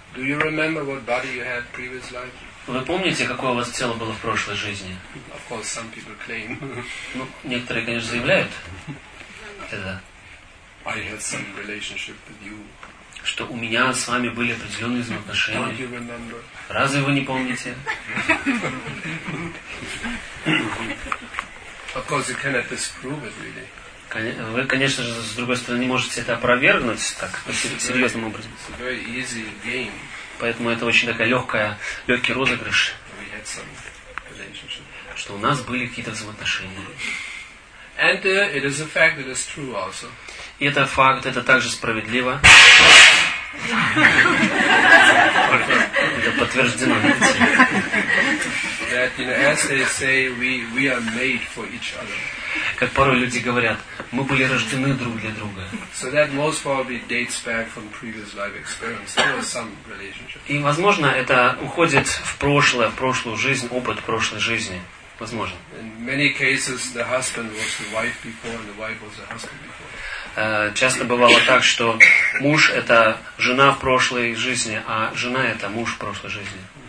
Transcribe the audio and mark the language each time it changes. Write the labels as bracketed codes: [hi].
[en] Do you remember what body you had previous life? [ru] Вы помните, какое у вас тело было в прошлой жизни? [en] Of course, some people claim. [ru] Ну, некоторые, конечно, заявляют. Это. [en] I had some relationship with you. [ru] Что у меня с вами были определенные взаимоотношения. [en] Don't you remember? [ru] Разве вы не помните? [en] Of course, you cannot disprove it, really. [ru] Вы, конечно же, с другой стороны, не можете это опровергнуть так серьезным образом. [en] It's a very easy game. [ru] Поэтому это очень такая легкий розыгрыш. [en] We had some relationship. [ru] Что у нас были какие-то взаимоотношения. [en] And it is a fact that is true also. [ru] И это факт, это также справедливо. Это подтверждено. [en] That, you know, as they say, we are made for each other. [ru] как порой люди говорят, мы были рождены друг для друга. [en] So that most probably dates back from previous life experience. There was some relationship. [ru] И, возможно, это уходит в прошлое, в прошлую жизнь, опыт прошлой жизни. Возможно. [en] In many cases, the husband was the wife before, and the wife was the husband before. [ru] Часто бывало так, что муж – это жена в прошлой жизни, а жена – это муж в прошлой жизни.